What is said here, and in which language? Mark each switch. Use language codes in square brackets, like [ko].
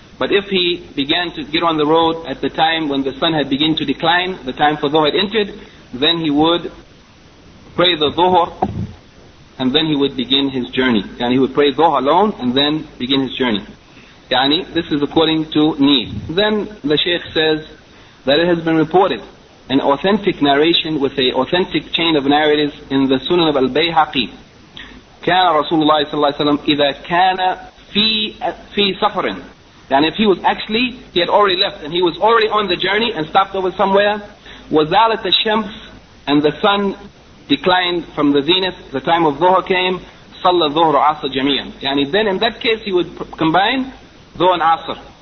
[en] But if he began to get on the road at the time when the sun had begun to decline, the time for Dhuhr had entered, then he would pray the Dhuhr, and then he would begin his journey. And he would pray Dhuhr alone, and then begin his journey. Yani, this is according to need. Then the Shaykh says that it has been reported, an authentic narration with an authentic chain of narratives in the Sunan of Al-Bayhaqi. [ar] كان رسول الله صلى الله عليه وسلم إذا كان في سفرٍ. [en] And if he was actually, he had already left, and he was already on the journey and stopped over somewhere, [ar] وَذَالَتَ الشَّمْسِ, [en] and the sun declined from the zenith, the time of Dhuhr came, [ar] صَلَّ الظُّهْرُ عَصَى جَمِيعًا. [en] Yani then in that case he would combine Dhuhr and Asr.